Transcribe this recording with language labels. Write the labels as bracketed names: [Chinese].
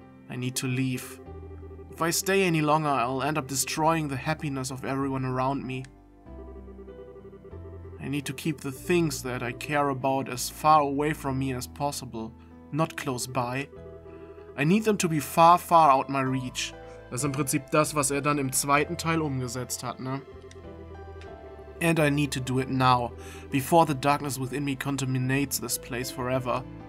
[English] I need to leave. If I stay any longer, I'll end up destroying the happiness of everyone around me. I need to keep the things that I care about as far away from me as possible, not close by. I need them to be far, far out my reach. [German] Das ist im Prinzip das, was dann im zweiten Teil umgesetzt hat, ne? [English] And I need to do it now, before the darkness within me contaminates this place forever.